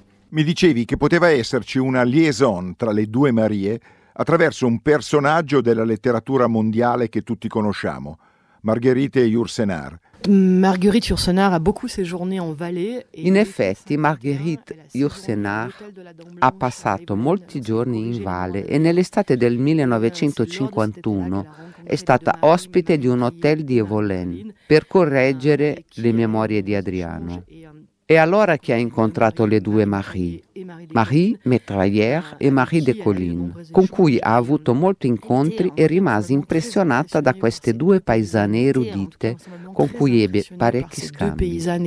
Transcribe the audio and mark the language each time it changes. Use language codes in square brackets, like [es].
[it] Mi dicevi che poteva esserci una liaison tra le due Marie attraverso un personaggio della letteratura mondiale che tutti conosciamo, Marguerite Yourcenar. [fr] Marguerite Yourcenar a beaucoup séjourné en Valais. [it] In effetti, Marguerite Yourcenar ha passato molti giorni in valle e nell'estate del 1951 è stata ospite di un hotel di Evolène per correggere le memorie di Adriano. E allora che ha incontrato le due Marie, Marie Metrayer e Marie de Collines, con cui ha avuto molti incontri e rimase impressionata da queste due paesane erudite con cui ebbe parecchi scambi.